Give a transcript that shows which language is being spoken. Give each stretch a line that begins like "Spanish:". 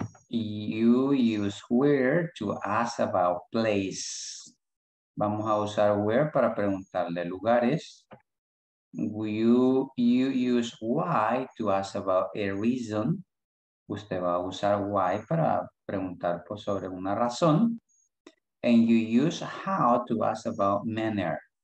English: You use where to ask about place.
Spanish: Vamos a usar where para preguntarle lugares.
English: You use why to ask about a reason.
Spanish: Usted va a usar why para preguntar pues, sobre una razón.
English: And you use how to ask about manner.